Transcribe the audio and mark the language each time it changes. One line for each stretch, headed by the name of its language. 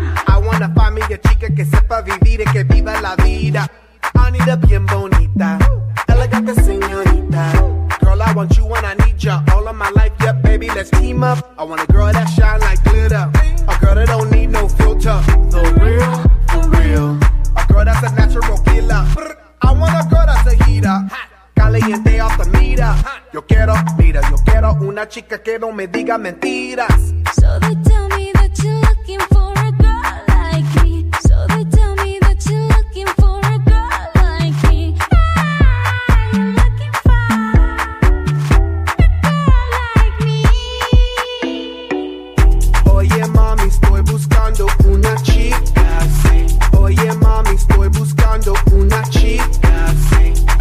English: I wanna find me a
Spanish: chica que sepa vivir y que viva la vida.
English: I need a
Spanish: bien bonita, elegante señorita.
English: Girl, I want you and I need ya all of my life, yeah, baby, let's team up. I want a girl that shine like glitter, a girl that don't need no filter. The real, the real. A girl that's a natural killer. I want a girl that's a heater. Caliente off the meter.
Spanish: Yo quiero, mira, yo quiero una chica que no me diga mentiras.
English: So they tell me that you're looking for a girl like me. So they tell me that you're looking for a girl like me. Yeah, you're looking for a girl like me.
Spanish: Oye, mami, estoy buscando una chica, sí. Oye, mami, estoy buscando una chica, sí.